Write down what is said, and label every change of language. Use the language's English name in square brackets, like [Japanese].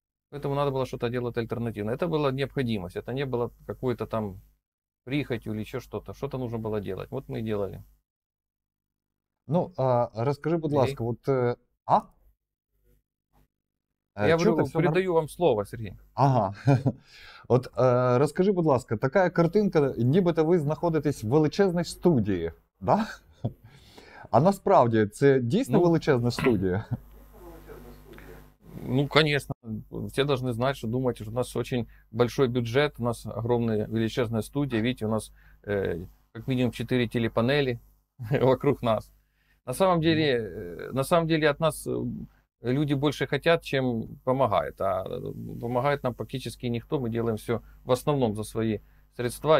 [Russian] Поэтому надо было что-то делать альтернативно. Это была необходимость, это не было какой-то там прихотью или еще что-то. Что-то нужно было делать. Вот мы и делали. Ну, расскажи, [Ukrainian] будь ласка, [Russian] вот... Я говорю, передаю вам слово, Сергей. Ага. [Ukrainian] От розкажи, будь ласка, така картинка, нібито ви знаходитесь в величезній студії, да? А насправді це дійсно величезна студія? [Russian] Ну, конечно, все должны знать, что думать, что у нас очень большой бюджет, у нас огромная величественная студия, видите, у нас как минимум 4 телепанели вокруг нас. На самом деле от нас люди больше хотят, чем помогают, а помогает нам практически никто, мы делаем все в основном за свои средства.